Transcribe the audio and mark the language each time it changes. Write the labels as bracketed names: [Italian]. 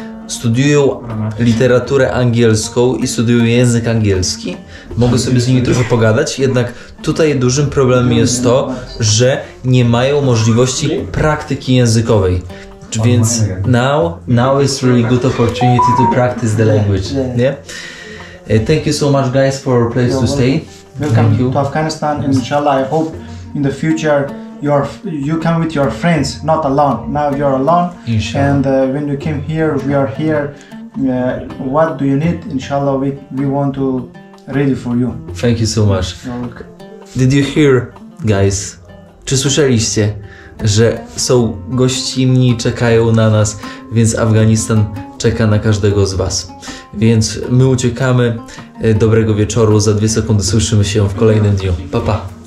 [Polish] Studiują literaturę angielską i studiują język angielski. Mogę sobie z nimi trochę pogadać, jednak tutaj dużym problemem jest to, że nie mają możliwości praktyki językowej. [English] Więc now is really good opportunity to practice the language. Yeah? Thank you so much guys for our place to stay. Welcome to Afghanistan. Inshallah, I hope in the future you come with your friends, not alone. Now you're alone. Inshallah. And when you came here, we are here. What do you need? Inshallah, we want to ready for you. Thank you so much. You're did you hear, guys? [Polish] Czy słyszeliście, że są gościnni, czekają na nas, więc Afganistan czeka na każdego z was. Więc my uciekamy. Dobrego wieczoru. Za 2 sekundy słyszymy się w kolejnym dniu. Pa, pa.